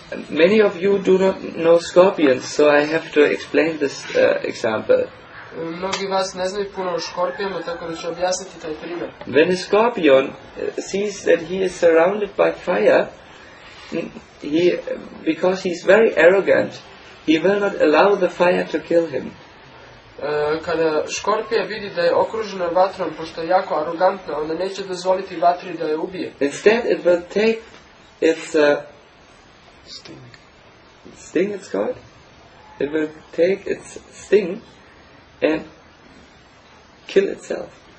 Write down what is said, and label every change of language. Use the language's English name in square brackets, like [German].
[English] Many of you do not know scorpions, so I have to explain this example. [Serbian] Mnogi vas ne znaju puno o škorpijama, tako da ću objasniti taj primjer. [English] When a scorpion sees that he is surrounded by fire, he, because he is very arrogant, he will not allow the fire to kill him. [Serbian] Kada škorpija vidi da je okružena vatrom, pošto je jako arrogantna, onda neće dozvoliti vatri da je ubije. [English] Instead, it will take its sting, it's called. It will take its sting and kill itself.